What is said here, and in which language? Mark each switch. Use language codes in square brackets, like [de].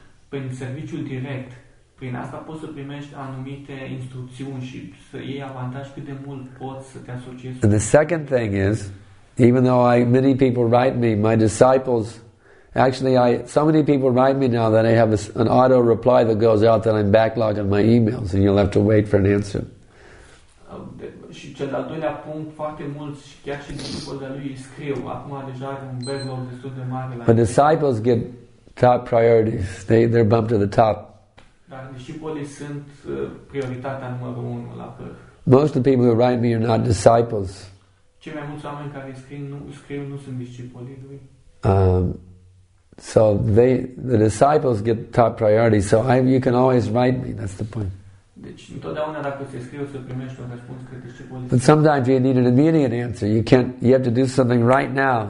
[ro] Prin serviciul direct, prin asta poți să primești anumite instrucțiuni și să iei avantaj cât de mult poți să te asociezi. [en] And the second thing is, even though many people write me, my disciples, actually so many people write me now that I have an auto reply that goes out that I'm backlogged on my emails and you'll have to wait for an answer. [ro] Și cel de-al doilea punct, foarte mulți, chiar și discipolii de-a lui scriu, acum deja are un backlog destul de mare. [en] But disciples get top priorities. They're bumped to the top. [ro] Dar discipolii sunt prioritatea numărul unu la pe. [en] Most of the people who write me are not disciples. [ro] Cei mai mulți oameni care scriu nu sunt discipolii lui. [en] So the disciples get top priority. So you can always write me. That's the point. [ro] Deci întotdeauna dacă se scriu să primești un răspuns că discipolii. [en] But sometimes you need an immediate answer. You have to do something right now.